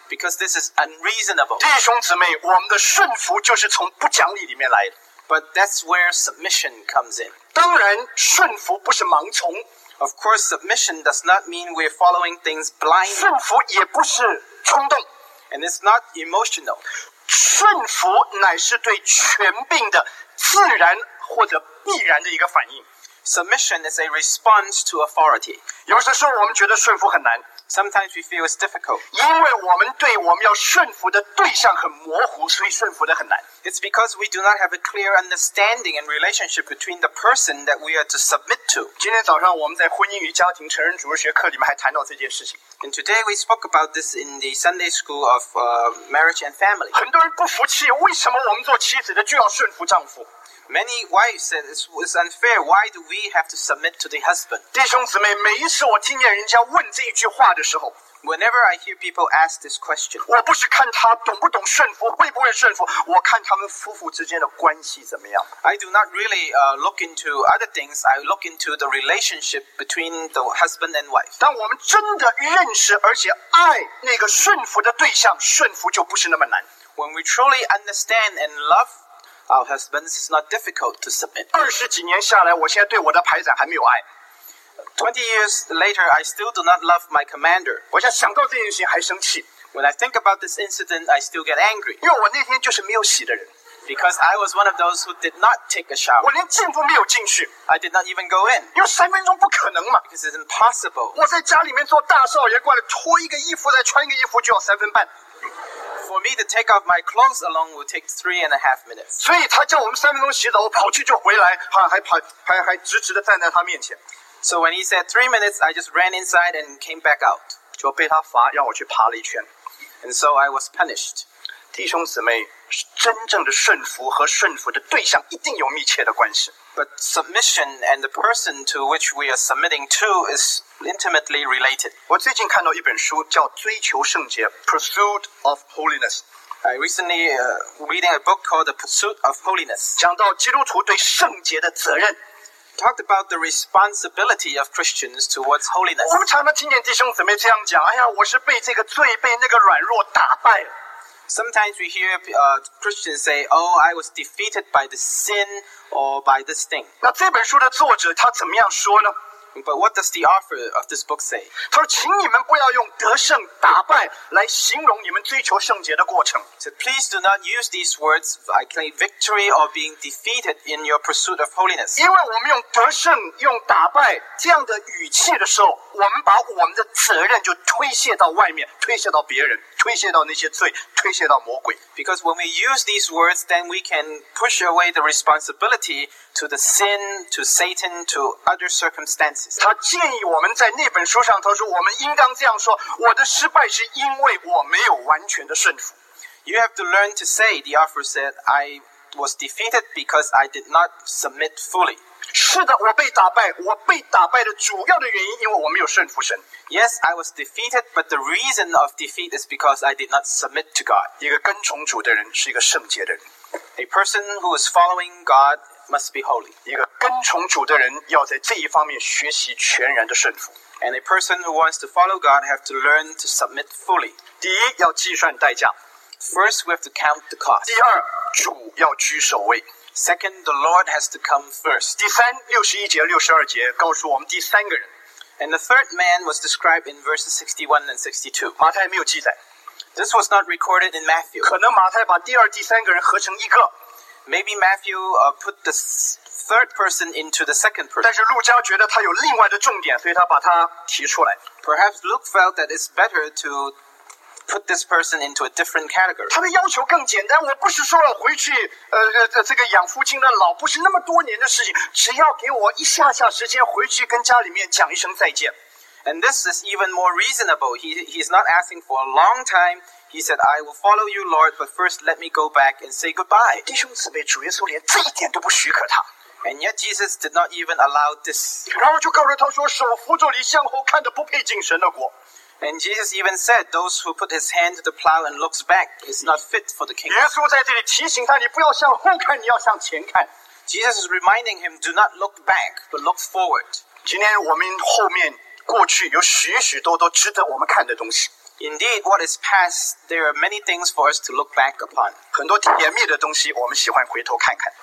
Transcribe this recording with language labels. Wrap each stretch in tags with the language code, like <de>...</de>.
<en>Because this is unreasonable.</en> <zh>弟兄姊妹，我们的顺服就是从不讲理里面来的。</zh> <en>But that's where submission comes in.</en> <zh>当然，顺服不是盲从。</zh> <en>Of course, submission does not mean we're following things blindly.</en> <zh>顺服也不是冲动。</zh> <en>And it's not emotional.</en> <zh>顺服乃是对权柄的自然或者必然的一个反应。</zh> <en>Submission is a response to authority.</en> <zh>有些时候我们觉得顺服很难。</zh> <en>Sometimes we feel it's difficult.</en> <zh>因为我们对我们要顺服的对象很模糊，所以顺服的很难。</zh> <en>It's because we do not have a clear understanding and relationship between the person that we are to submit to.</en> <zh>今天早上我们在婚姻与家庭成人主日学课里面还谈到这件事情。</zh> <en>And today we spoke about this in the Sunday School of Marriage and Family.</en> <zh>很多人不服气，为什么我们做妻子的就要顺服丈夫？</zh> <en>Many wives said it's unfair. Why do we have to submit to the husband?</en> <zh>弟兄姊妹，每一次我听见人家问这一句话的时候</zh> <en>，Whenever I hear people ask this question，</en> <zh>我不是看他懂不懂顺服，会不会顺服，我看他们夫妇之间的关系怎么样。</zh> <en>I do not really look into other things. I look into the relationship between the husband and wife.</en> <zh>当我们真的认识而且爱那个顺服的对象，顺服就不是那么难。</zh> <en>When we truly understand and love。 Our husbands is not difficult to submit.</en> <zh>二十几年下来，我现在对我的排长还没有爱。</zh> <en>20 years later, I still do not love my commander.</en> <zh>我现在想到这件事情还生气。</zh> <en>When I think about this incident, I still get angry.</en> <zh>因为我那天就是没有洗的人。</zh> <en>Because I was one of those who did not take a shower.</en> <zh>我连进都没有进去。</zh> <en>I did not even go in.</en> <zh>因为三分钟不可能嘛。</zh> <en>Because it's impossible.</en> <zh>我在家里面做大少爷，过来脱一个衣服，再穿一个衣服，就要三分半。</zh> <en>For me to take off my clothes alone will take 3.5 minutes.</en> <zh>所以他叫我们三分钟洗澡，我跑去就回来，还直直的站在他面前。</zh> <en>So when he said 3 minutes, I just ran inside and came back out.</en> <zh>就被他罚，让我去爬了一圈。</zh> <en>And so I was punished.</en> <zh>弟兄姊妹，真正的顺服和顺服的对象一定有密切的关系。</zh> <en>But submission and the person to which we are submitting to is intimately related.</en> <zh>我最近看到一本书叫《追求圣洁》（Pursuit of Holiness）。</zh> <en>I recently reading a book called The Pursuit of Holiness.</en> <zh>讲到基督徒对圣洁的责任。</zh> <en>Talked about the responsibility of Christians towards holiness.</en> <zh>我们常常听见弟兄姊妹这样讲：“哎呀，我是被这个罪、被那个软弱打败了。”</zh> <en>Sometimes we hear Christians say, "Oh, I was defeated by the sin or by this thing."</en> <zh>那这本书的作者他怎么样说呢？</zh> <en>But what does the author of this book say?</en> <zh>他说，请你们不要用得胜、打败来形容你们追求圣洁的过程。</zh> <en>So please do not use these words, I claim victory or being defeated in your pursuit of holiness.</en> <zh>因为我们用得胜、用打败这样的语气的时候，我们把我们的责任就推卸到外面，推卸到别人，推卸到那些罪，推卸到魔鬼。</zh> <en>Because when we use these words, then we can push away the responsibility to the sin, to Satan, to other circumstances.</en> <zh>他建议我们在那本书上，他说我们应当这样说：我的失败是因为我没有完全的顺服。</zh> <en>You have to learn to say, the author said, I was defeated because I did not submit fully.</en> <zh>是的，我被打败。我被打败的主要的原因，因为我没有顺服神。</zh> <en>Yes, I was defeated, but the reason of defeat is because I did not submit to God.</en> <zh>一个跟从主的人是一个圣洁的人。</zh> <en>A person who is following God. Must be holy.</en> <zh>一个跟从主的人要在这一方面学习全然的顺服。</zh> <en>And a person who wants to follow God have to learn to submit fully.</en> <zh>第一，要计算代价。</zh> <en>First, we have to count the cost.</en> <zh>第二，主要居首位。</zh> <en>Second, the Lord has to come first.</en> <zh>第三，61节、62节告诉我们第三个人。</zh> <en>And the third man was described in verses 61 and 62.</en> <zh>马太没有记载。</zh> <en>This was not recorded in Matthew.</en> <zh>可能马太把第二、第三个人合成一个。</zh> <en>Maybe Matthew put the third person into the second person.</en> <zh>但是路加觉得他有另外的重点，所以他把他提出来。</zh> <en>Perhaps Luke felt that it's better to put this person into a different category.</en> <zh>他的要求更简单，我不是说了回去这个养父亲的老，不是那么多年的事情，只要给我一下下时间回去跟家里面讲一声再见。</zh> <en>And this is even more reasonable. He's not asking for a long time. He said, I will follow you, Lord, but first let me go back and say goodbye.</en> <zh>弟兄姊妹，主耶稣连这一点都不许可他。</zh> <en>And yet Jesus did not even allow this.</en> <zh>然后就告诉他说，手扶着犁向后看的不配进神的国。</zh> <en>And Jesus even said, those who put his hand to the plow and looks back is not fit for the kingdom.</en> <zh>耶稣在这里提醒他，你不要向后看，你要向前看。</zh> <en>Jesus is reminding him, do not look back, but look forward.</en> <zh>今天我们后面过去有许许多多值得我们看的东西。</zh> <en>Indeed, what is past, there are many things for us to look back upon.</en> <zh>很多甜蜜的东西我们喜欢回头看看。</zh>